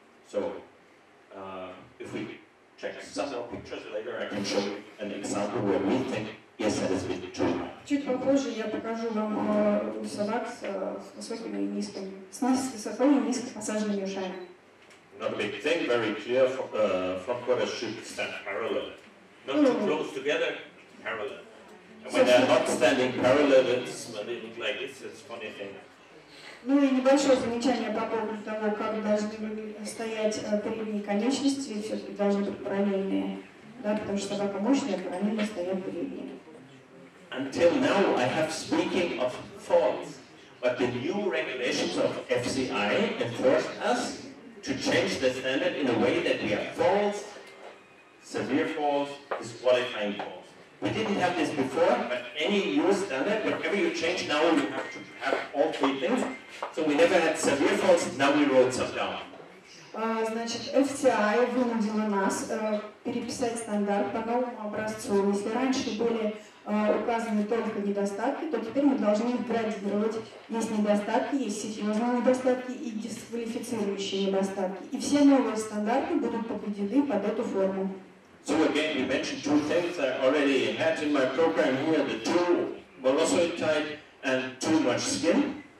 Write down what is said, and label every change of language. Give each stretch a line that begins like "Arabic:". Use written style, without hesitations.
English: So, if we check some more pictures later, I can show you an example where we think yes, that has been too high.
Russian: Чуть попозже я покажу вам собак с высокими и низкими, с высоко и низко посаженными ушами.
English: Not a big thing, very clear. Front quarters should stand parallel, not too close together, parallel. And when they're not standing parallel, it's like this, it's a funny thing.
Russian: Ну и небольшое замечание по поводу того, как должны стоять передние конечности, все-таки должны быть параллельные, да, потому что собака мощная, параллельно стоят передние.
English: Until now I have speaking of faults, but the new regulations of FCI enforced us to change the standard in a way that we have faults, severe faults, disqualifying faults. We didn't have this before, but any new standard, whatever you change now, you have to have all three things. So we never had severe faults, now we wrote some down.
Russian: Значит, FCI вынудила нас переписать стандарт по новому образцу. Если раньше были указаны только недостатки, то теперь мы должны градировать, есть недостатки, есть серьезные недостатки и дисквалифицирующие недостатки. И все новые стандарты будут подведены под эту форму.
English: So again, you mentioned two things I already had in my program here, the two velocity and too much skin.